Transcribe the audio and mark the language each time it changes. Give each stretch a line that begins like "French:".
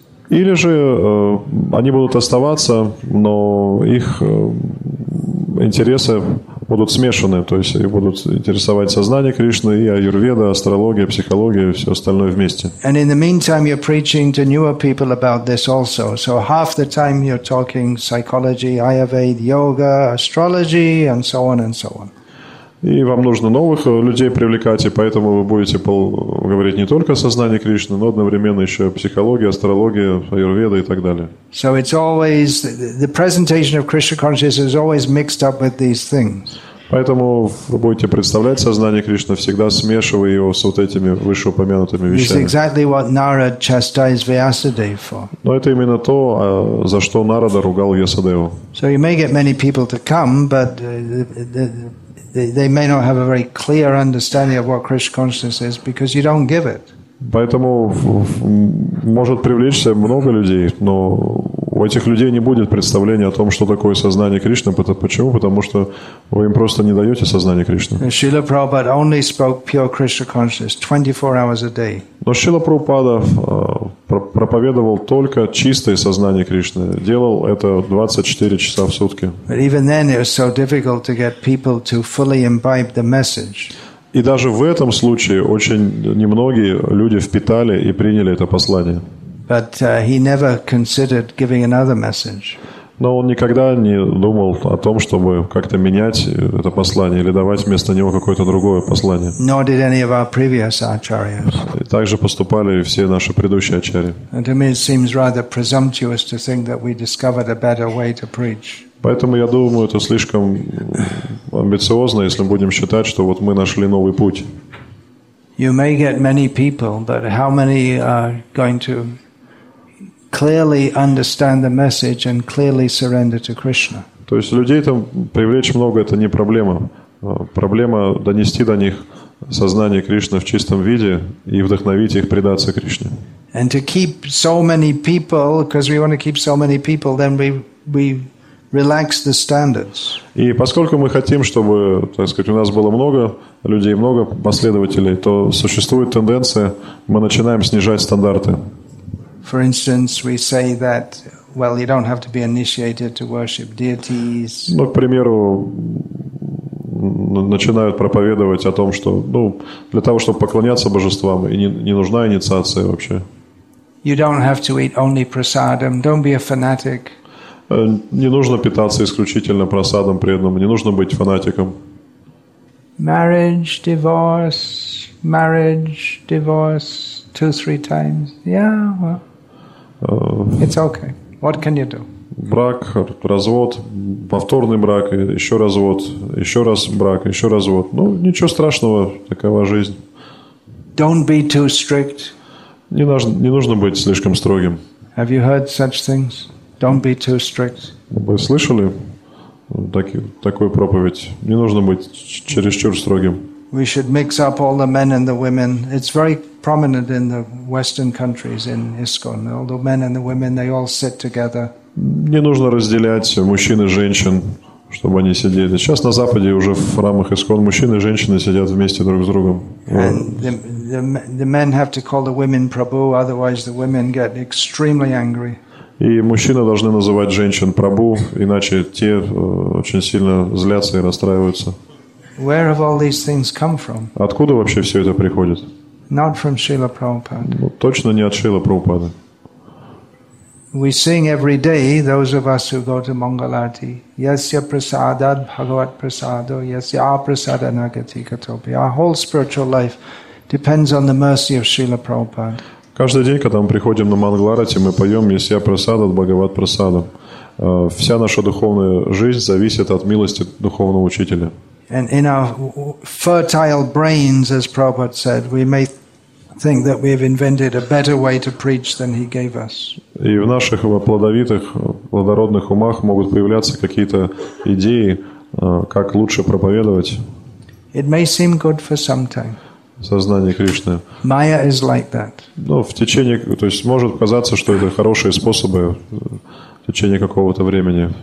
Russian: Или же они будут оставаться, но их интересы будут смешаны, то есть их будут интересовать сознание Кришны и аюрведа, астрология, психология и все остальное вместе.
English: And in the meantime, you're preaching to newer people about this also. So half the time you're talking psychology, ayurveda, yoga, astrology, and so on and so on.
Russian: И вам нужно новых людей привлекать, и поэтому вы будете говорить не только о сознании Кришны, но одновременно еще о психологии, астрологии, аюрведе и так далее.
English: So it's always the presentation of Krishna consciousness is always mixed up with these things.
Russian: Поэтому вы будете представлять сознание Кришны, всегда смешивая его с вот этими вышеупомянутыми вещами.
English: This is exactly what Narada chastised Vyasadeva for.
Russian: Но это именно то, за что Нарада ругал Ясадеву.
English: So you may get many people to come, but they may not have a very clear understanding of what Krishna consciousness is because you don't give it.
Russian: Поэтому может привлечься много людей, но у этих людей не будет представления о том, что такое сознание Кришны. Почему? Потому что вы им просто не даете сознание Кришны.
English: Srila Prabhupada only spoke pure Krishna consciousness 24 hours a day.
Russian: Но Srila Prabhupada проповедовал только чистое сознание Кришны. Делал это 24 часа в сутки.
English: But even then it was so difficult to get people to fully imbibe the message.
Russian: И даже в этом случае очень немногие люди впитали и приняли это послание.
English: But he never considered giving another message.
Russian: Но он никогда не думал о том, чтобы как-то менять это послание или давать вместо него какое-то другое послание.
English: Nor did any of our previous acharyas.
Russian: И также поступали все наши предыдущие ачарьи.
English: And to me it seems rather presumptuous to think that we discovered a better way to preach.
Russian: Поэтому я думаю, это слишком амбициозно, если будем считать, что вот мы нашли новый путь.
English: You may get many people, but how many are going to clearly understand the message and clearly surrender to Krishna?
Russian: То есть людей там привлечь много – это не проблема. Проблема – донести до них сознание Кришны в чистом виде и вдохновить их предаться Кришне.
English: And to keep so many people, because we want to keep so many people, then we relax the standards.
Russian: И поскольку мы хотим, чтобы, так сказать, у нас было много людей, много последователей, то существует тенденция, мы начинаем снижать стандарты.
English: For instance, we say that, well, you don't have to be initiated to worship deities.
Russian: Ну, к примеру, начинают проповедовать о том, что, ну, для того, чтобы поклоняться божествам, и не нужна инициация вообще.
English: You don't have to eat only prasadam. Don't be a fanatic.
Russian: Не нужно питаться исключительно просадом преданным, не нужно быть фанатиком.
English: Marriage, divorce, marriage, divorce, 2-3 times. Yeah, well, it's okay. What can you do?
Russian: Брак, развод, повторный брак, еще развод, еще раз брак, еще развод. Ну, ничего страшного, такова жизнь.
English: Don't be too strict.
Russian: Не нужно быть слишком строгим.
English: Have you heard such things? Don't be too strict.
Russian: Вы слышали такую проповедь? Не нужно быть чересчур строгим.
English: We should mix up all the men and the women. It's very prominent in the Western countries, in ISKCON. All the men and the women, they all sit together.
Russian: Не нужно разделять мужчин и женщин, чтобы они сидели. Сейчас на Западе уже в храмах ИСКОН мужчины и женщины сидят вместе друг с другом.
English: The men have to call the women Prabhu, otherwise the women get extremely angry.
Russian: И мужчины должны называть женщин Прабу, иначе те очень сильно злятся и расстраиваются.
English: Where have all these things come from?
Russian: Откуда вообще все это приходит?
English: Not from Srila Prabhupada.
Russian: Ну, точно не от Шрилы Прабхупады.
English: We sing every day, those of us who go to Mangalarti.
Sanskrit: Yasya prasadad bhagavat prasado, yasya aprasada nagati katopi.
English: Our whole spiritual life depends on the mercy of Srila Prabhupada.
Russian: Каждый день, когда мы приходим на Мангаларати, мы поем
Sanskrit: «Есья Прасада от Бхагават Прасада».
Russian: Вся наша духовная жизнь зависит от милости духовного учителя.
English: And in our fertile brains, as Prabhupada said, we may think that we have invented a better way to preach than he gave us.
Russian: И в наших плодовитых, плодородных умах могут появляться какие-то идеи, как лучше проповедовать.
English: It may seem good for some time.
Russian: Сознание Кришны.
English: Майя is like that.
Russian: Ну, в течение, то есть может казаться, что это хорошие способы в течение какого-то времени.